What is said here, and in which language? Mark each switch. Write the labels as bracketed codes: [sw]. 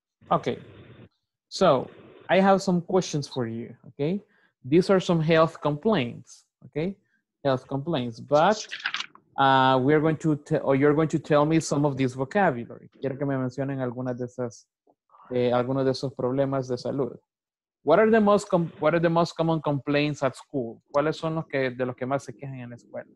[en] Okay, so I have some questions for you, okay? These are some health complaints, okay? Health complaints, but you're going to tell me some of this vocabulary. [es] Quiero que me mencionen algunas de esas, algunos de esos problemas de salud. [en] What are the most common complaints at school? [es] ¿Cuáles son los que, de los que más se quejan en la escuela?